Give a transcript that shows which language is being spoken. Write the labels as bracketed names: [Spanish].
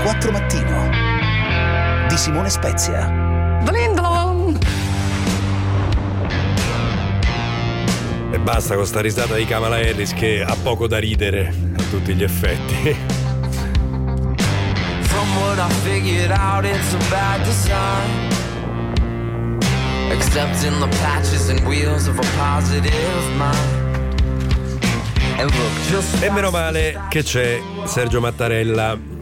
[Italian] Mattino di Simone Spezia. E basta con sta risata di Kamala Harris che ha poco da ridere a tutti gli effetti. [English] From what I figured out it's a bad design, accepting the patches and wheels of a positive mind. [Italian] E meno male che c'è Sergio Mattarella.